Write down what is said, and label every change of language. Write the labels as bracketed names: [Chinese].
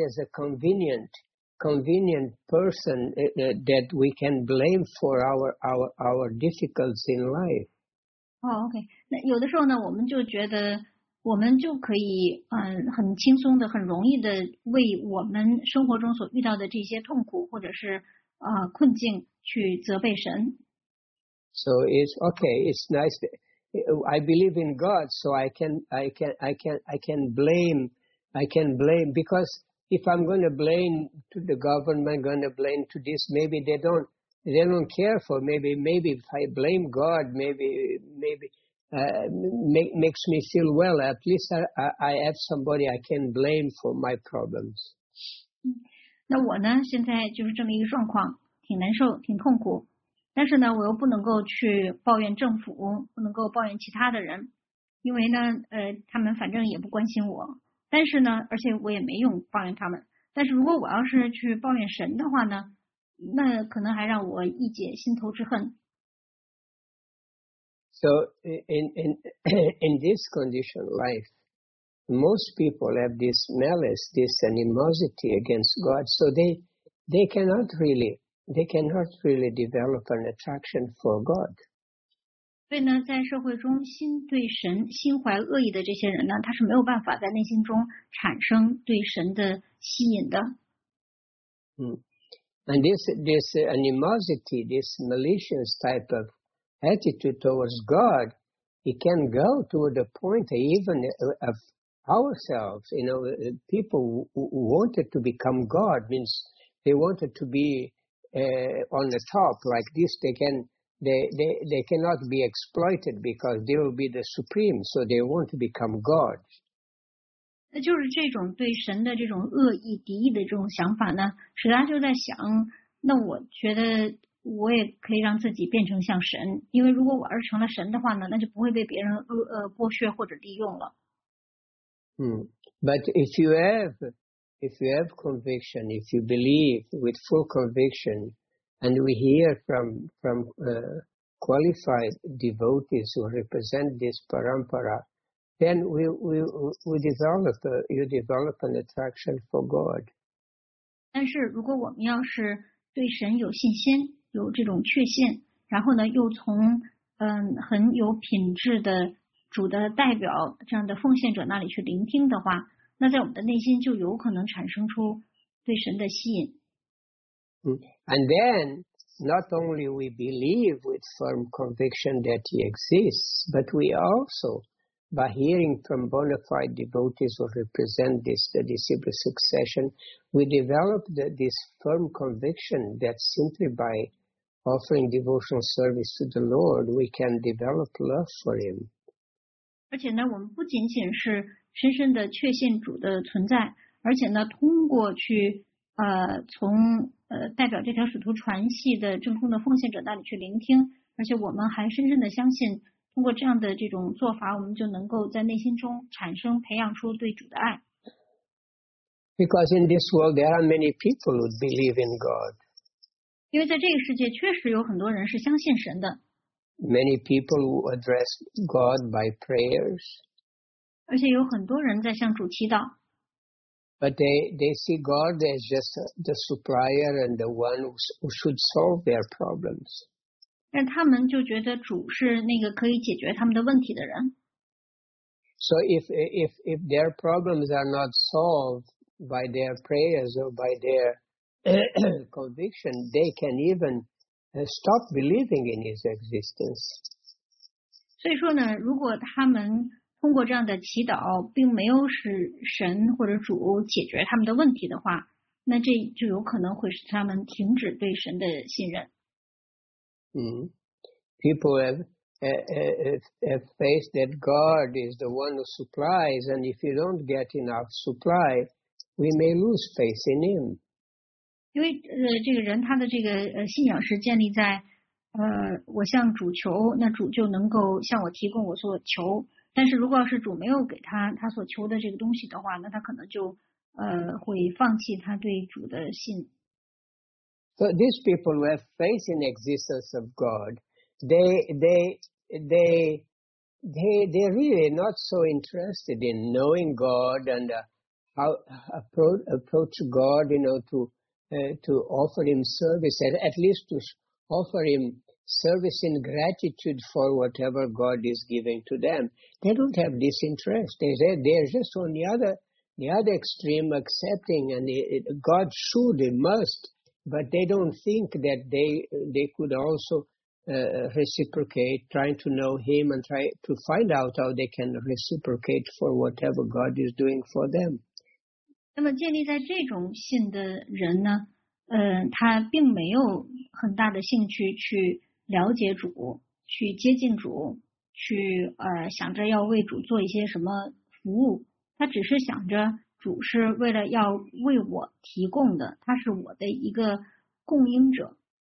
[English] as a convenient person that we can blame for our difficulties in life. Oh, okay. [Chinese] 那有的时候呢，我们就觉得我们就可以很轻松的、很容易的为我们生活中所遇到的这些痛苦或者是困境去责备神。 [English] So it's okay. It's nice. I believe in God, so I can blame because. If I'm going to blame to the government, going to blame to this, maybe they don't care for. Maybe if I blame God, makes me feel well. At least I have somebody I can blame for my problems. [Chinese] 那我呢？现在就是这么一个状况，挺难受，挺痛苦。但是呢，我又不能够去抱怨政府，不能够抱怨其他的人，因为呢，他们反正也不关心我。但是呢，而且我也没用抱怨他们。但是如果我要是去抱怨神的话呢，那可能还让我一解心头之恨。 [English] So in this condition life, most people have this malice, this animosity against God. So they they cannot really develop an attraction for God. [Chinese] 所以呢，在社会中心对神心怀恶意的这些人呢，他是没有办法在内心中产生对神的吸引的。 [English] And this animosity, this malicious type of attitude towards God, it can go to the point even of ourselves. You know, people who wanted to become God means they wanted to be on the top like this. They cannot be exploited because they will be the supreme, so they want to become God. [Chinese] 那就是这种对神的这种恶意、敌意的这种想法呢，使他就在想，那我觉得我也可以让自己变成像神，因为如果我要是成了神的话呢，那就不会被别人剥削或者利用了。 [English] But if you have conviction, if you believe with full conviction. And we hear from qualified devotees who represent this parampara, then you develop an attraction for God. [Chinese] 但是如果我们要是对神有信心，有这种确信，然后呢又从很有品质的主的代表这样的奉献者那里去聆听的话，那在我们的内心就有可能产生出对神的吸引。 [English] And then, not only we believe with firm conviction that he exists, but we also, by hearing from bona fide devotees who represent this, the disciple succession, we develop this firm conviction that simply by offering devotional service to the Lord, we can develop love for him. [Chinese] 而且呢，我们不仅仅是深深的确信主的存在，而且呢，通过去从代表这条使徒传系的正空的奉献者那里去聆听，而且我们还深深的相信，通过这样的这种做法，我们就能够在内心中产生培养出对主的爱。 [English] Because in this world there are many people who believe in God. [Chinese] 因为在这个世界确实有很多人是相信神的。 [English] Many people who address God by prayers. [Chinese] 而且有很多人在向主祈祷。 [English] But they see God as just the supplier and the one who should solve their problems. [Chinese] 但他们就觉得主是那个可以解决他们的问题的人。 [English] So if their problems are not solved by their prayers or by their conviction, they can even stop believing in his existence. [Chinese] 所以说呢，如果他们通过这样的祈祷并没有使神或者主解决他们的问题的话，那这就有可能会使他们停止对神的信任。 [English] People have faith that God is the one who supplies, and if you don't get enough supply, we may lose faith in him. [Chinese] 因为这个人他的这个信仰是建立在我向主求，那主就能够向我提供我所求。但是如果要是主没有给他所求的这个东西的话，那他可能就会放弃他对主的信。 [English] So these people who have faith in the existence of God, they really not so interested in knowing God and how approach God, you know, to offer him service, at least to offer him. Service in gratitude for whatever God is giving to them. They don't have this interest. They're just on the other extreme, accepting, and God should, they must, but they don't think that they could also reciprocate, trying to know him and try to find out how they can reciprocate for whatever God is doing for them. [Chinese] 那么建立在这种信的人呢，他并没有很大的兴趣去了解主，去接近主，去想着要为主做一些什么服务。他只是想着主是为了要为我提供的，他是我的一个供应者。